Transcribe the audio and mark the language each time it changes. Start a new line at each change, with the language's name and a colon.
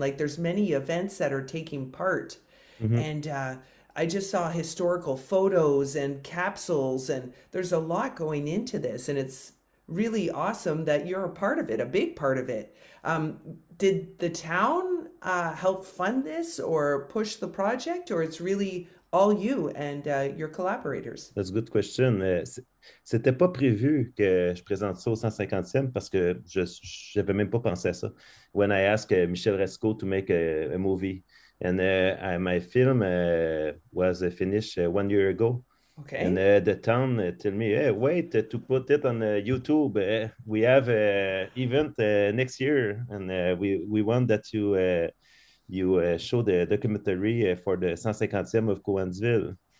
English: Like, there's many events that are taking part. And I just saw historical photos and capsules, and there's a lot going into this. And it's really awesome that you're a part of it, a big part of it. Did the town help fund this or push the project, or it's really all you and your collaborators? That's a good question.
French: C'était pas prévu que je présente ça au 150e parce que je n'avais même pas pensé à ça.
English: When I asked Michel Racicot to make a movie, and my film was finished 1 year ago. Okay. And the town told me, hey, wait to put it on YouTube. We have an event next year, and we want that you show the documentary for the 150e of Cowansville.